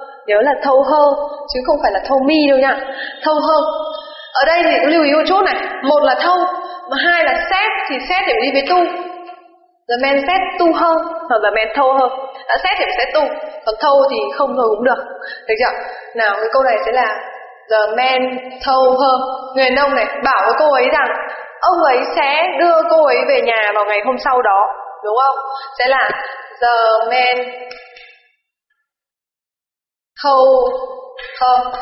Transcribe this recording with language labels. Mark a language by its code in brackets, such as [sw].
[vi] Nhớ là [en] told her [vi] chứ không phải là [en] told me [vi] đâu nhá. [en] Told her. [vi] Ở đây thì lưu ý một chút này. Một là told, mà hai là said thì said để đi với to. [en] The man said to her, [vi] hoặc là [en] the man told her. [vi] Đã said thì [en] said to, [vi] còn told thì không thôi cũng được. Được chưa? Nào, cái câu này sẽ là [en] the man told her. [vi] Người đàn ông này bảo với cô ấy rằng ông ấy sẽ đưa cô ấy về nhà vào ngày hôm sau đó. đúng không? Sẽ là [en] the man told her.